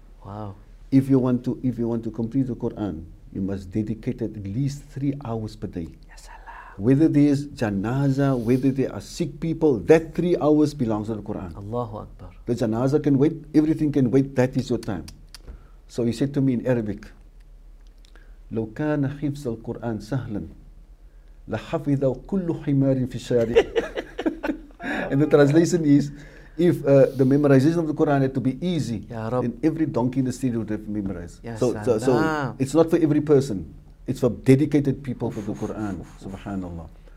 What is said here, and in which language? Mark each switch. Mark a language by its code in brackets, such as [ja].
[en] Wow. If you want to complete the Quran, you must dedicate it at least 3 hours per day. Yes, Allah. Whether there is janaza, whether there are sick people, that 3 hours belongs to the Quran. Allahu Akbar. The janaza can wait, everything can wait, that is your time. [ar] So he said to me in Arabic, لو كان حفظ القرآن سهلا لحفظ كل حمار في الشارع. [en] And the translation is, if the memorization of the Quran had to be easy, then every donkey in the city would have memorized. Yes, so it's not for every person, it's for dedicated people for the Quran, subhanAllah.